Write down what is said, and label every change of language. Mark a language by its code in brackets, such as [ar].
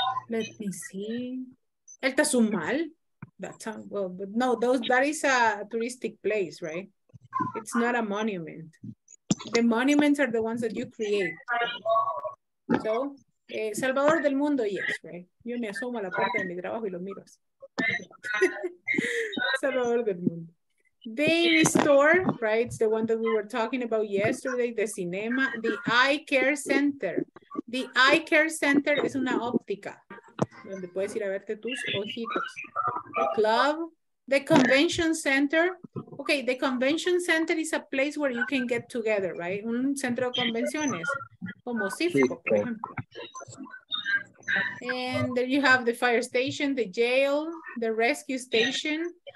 [en] Let me see. El Cazumal. That is a touristic place, right? It's not a monument. The monuments are the ones that you create. So, Salvador del Mundo, yes, right? [es] Yo me asomo a la puerta de mi trabajo y lo miro. [en] Salvador del Mundo. The store, right? It's the one that we were talking about yesterday, the cinema. The eye care center. The eye care center is [es] una óptica, donde puedes ir a verte tus ojitos. [en] The club. The convention center. Okay, the convention center is a place where you can get together, right? [es] Un centro de convenciones, como Cifco, por ejemplo. [en] And there you have the fire station, the jail, the rescue station.